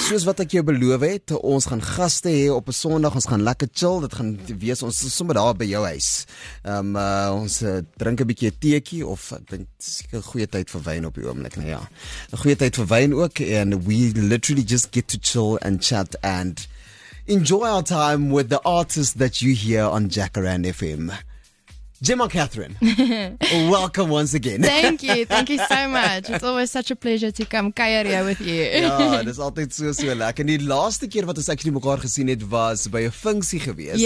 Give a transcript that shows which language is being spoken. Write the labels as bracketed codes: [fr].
[af] Soos wat ek jou beloof het, ons gaan gaste hê op 'n Sondag, ons gaan lekker chill, dit gaan wees ons is sommer daar by jou huis. Ons drink 'n bietjie teekie of ek dink seker 'n goeie tyd vir wyn op die oomblik, nou ja. 'n Goeie tyd vir wyn ook [en] and we literally just get to chill and chat and enjoy our time with the artists that you hear on Jacaranda FM. Gemma Catherine, welcome once again. Thank you so much. It's always such a pleasure to come kuier here with you. [af] Ja, dit is altyd so, so lekker. En die laaste keer wat ons actually mekaar gesien het, was by 'n funksie gewees.